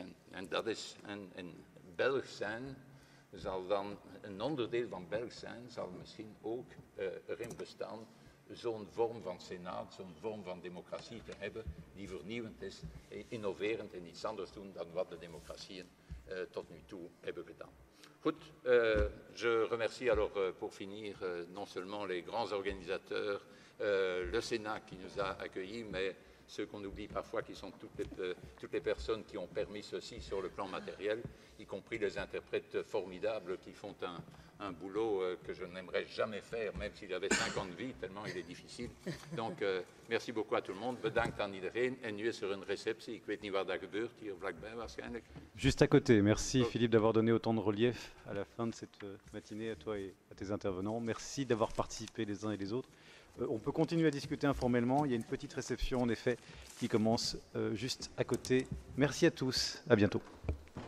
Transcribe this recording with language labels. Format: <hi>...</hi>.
<nl>En dat is een Belg zijn, zal dan een onderdeel van Belg zijn, zal misschien ook erin bestaan zo'n vorm van senaat, zo'n vorm van democratie te hebben die vernieuwend is, innoverend en iets anders doen dan wat de democratieën tot nu toe hebben gedaan.</nl> <fr>Goed, je remercie alors pour finir non seulement les grands organisateurs, le Sénat qui nous a accueillis, mais ceux qu'on oublie parfois qui sont toutes les personnes qui ont permis ceci sur le plan matériel, y compris les interprètes formidables qui font un boulot que je n'aimerais jamais faire, même si j'avais 50 vies, tellement il est difficile. Donc, merci beaucoup à tout le monde.</fr> <nl>Bedankt aan iedereen. En nu is er een receptie. Ik weet niet waar dat gebeurt, hier vlakbij waarschijnlijk.</nl> <fr>Juste à côté. Merci Philippe d'avoir donné autant de relief à la fin de cette matinée à toi et à tes intervenants. Merci d'avoir participé les uns et les autres. On peut continuer à discuter informellement. Il y a une petite réception, en effet, qui commence juste à côté. Merci à tous. À bientôt.</fr>